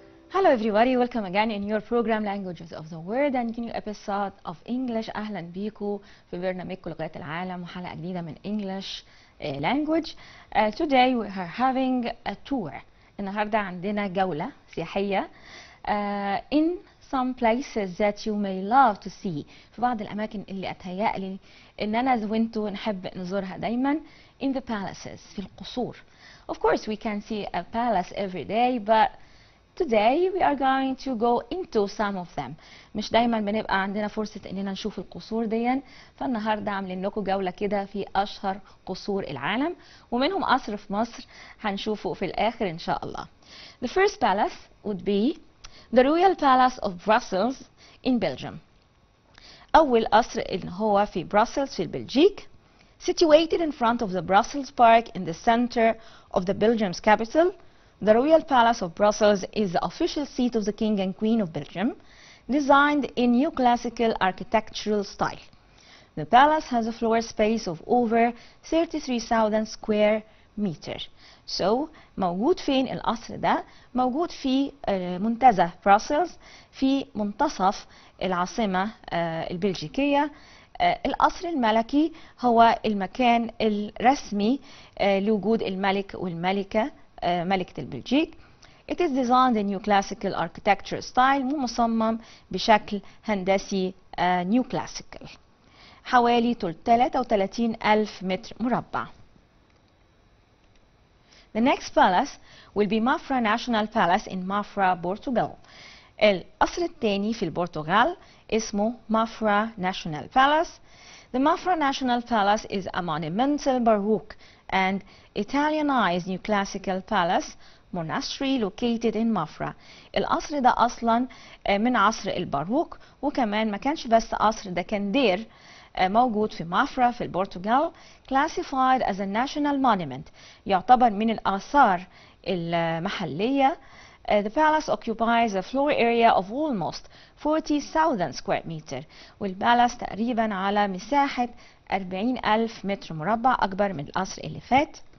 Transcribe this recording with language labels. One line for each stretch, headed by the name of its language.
English: Hello everybody, welcome again in your program Languages of the World and new episode of English.
Arabic: اهلا بيكو في برنامجكم لغات العالم وحلقه جديده من English Language.
English: Today we are having a tour.
Arabic: النهارده عندنا جوله سياحيه
English: in some places that you may love to see.
Arabic: في بعض الاماكن اللي اتهيألي ان انا وانتو نحب نزورها دايما.
English: In the palaces,
Arabic: في القصور.
English: Of course we can see a palace every day, but today we are going to go into some of them.
Arabic: مش دايما بنبقى عندنا فرصة اننا نشوف القصور دي. فالنهاردة عاملين لكم جولة كده في اشهر قصور العالم. ومنهم قصر في مصر هنشوفه في الاخر ان شاء الله.
English: The first palace would be the Royal Palace of Brussels in Belgium.
Arabic: اول قصر اللي هو في بروسلز في بلجيك.
English: Situated in front of the Brussels Park in the center of the Belgium's capital. The Royal Palace of Brussels is the official seat of the King and Queen of Belgium, designed in neoclassical architectural style. The palace has a floor space of over 33,000 square meters.
Arabic: So, موجود فين القصر ده؟ موجود في منتزه بروسلز في منتصف العاصمة البلجيكية. القصر الملكي هو المكان الرسمي لوجود الملك والملكة. ملكة البلجيك.
English: It is designed in new classical architecture style.
Arabic: مصمم بشكل هندسي new classical. حوالي 33 ألف متر مربع.
English: The next palace will be Mafra National Palace in Mafra, Portugal.
Arabic: القصر الثاني في البرتغال اسمه Mafra National Palace.
English: The Mafra National Palace is a monumental baroque and Italianized new classical palace monastery located in Mafra.
Arabic: القصر ده اصلا من عصر الباروك وكمان ما كانش بس قصر ده كان دير موجود في مافرا في البرتغال
English: classified as a national monument
Arabic: يعتبر من الاثار المحليه.
English: The palace occupies a floor area of almost 40,000 square meter
Arabic: والبالاس تقريبا على مساحه 40,000 متر مربع اكبر من القصر اللي فات.